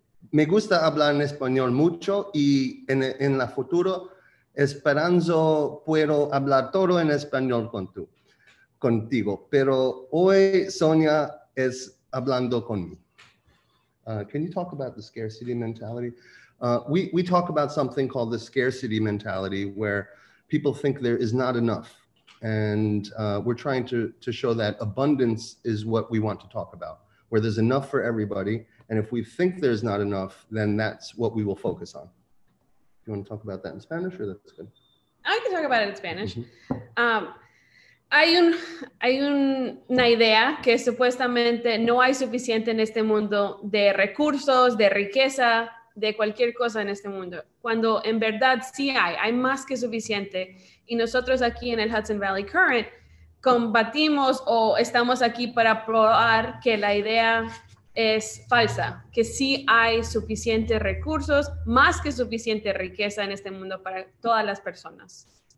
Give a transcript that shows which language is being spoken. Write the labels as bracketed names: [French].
[Spanish] Me gusta hablar en español mucho y en el futuro esperanzo puedo hablar todo en español contigo, pero hoy Sonia es hablando conmigo. [English] Can you talk about the scarcity mentality? We talk about something called the scarcity mentality, where people think there is not enough, and we're trying to show that abundance is what we want to talk about, where there's enough for everybody. And if we think there's not enough, then that's what we will focus on. Do you want to talk about that in Spanish, or that's good? I can talk about it in Spanish. Mm-hmm. [Spanish] Hay una idea que supuestamente no hay suficiente en este mundo de recursos, de riqueza, de cualquier cosa en este mundo, cuando en verdad sí hay más que suficiente. Y nosotros aquí en el Hudson Valley Current combatimos o estamos aquí para probar que la idea es falsa, que sí hay suficientes recursos, más que suficiente riqueza en este mundo para todas las personas.